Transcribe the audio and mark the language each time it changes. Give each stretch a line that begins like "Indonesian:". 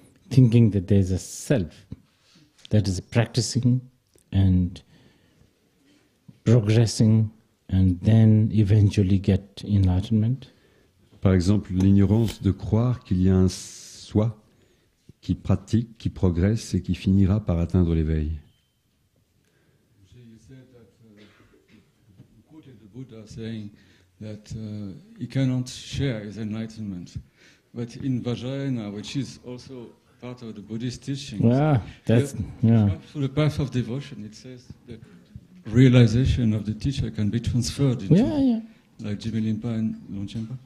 English: Thinking that there is a self that is practicing and progressing and then eventually get enlightenment.
French: Par exemple, l'ignorance de croire qu'il y a un soi qui pratique, qui progresse et qui finira par atteindre l'éveil.
English: Buddha saying that he cannot share his enlightenment. But in Vajrayana, which is also part of the Buddhist teachings, through the path of devotion, it says the realization of the teacher can be transferred into, like Jimmy Limpa and Longchenpa.